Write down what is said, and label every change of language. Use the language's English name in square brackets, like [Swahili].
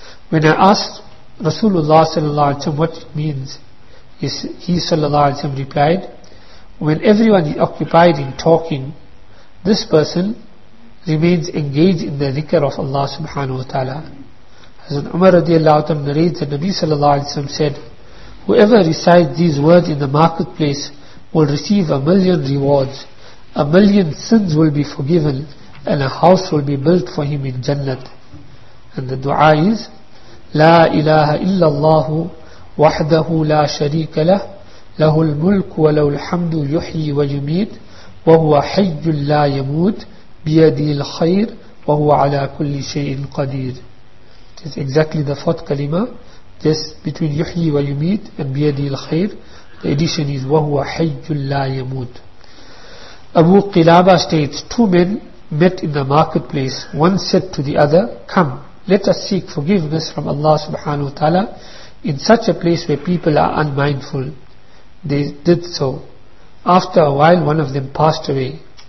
[English] When I asked Rasulullah sallallahu alayhi wa sallam what it means, he sallallahu alayhi wa sallam replied, when everyone is occupied in talking, this person remains engaged in the dhikr of Allah subhanahu wa ta'ala. Hazrat Umar radiallahu ta'ala anhu narrates that Nabi sallallahu alayhi wa sallam said, whoever recites these words in the marketplace will receive 1,000,000 rewards, 1,000,000 sins will be forgiven, and a house will be built for him in Jannat. And the dua is, [Arabic] لا إله إلا الله وحده لا شريك له له الملك وله الحمد يحيي ويميت وهو حي لا يموت بيده الخير وهو على كل شيء قدير. [English] It is exactly the fourth kalima, this between [Arabic] يحيي ويميت [English] and [Arabic] بيده الخير. [English] The addition is [Arabic] وهو حي لا يموت. [English] Abu Qilaba states, two men met in the marketplace. One said to the other, come, let us seek forgiveness from Allah subhanahu wa ta'ala in such a place where people are unmindful. They did so. After a while, one of them passed away.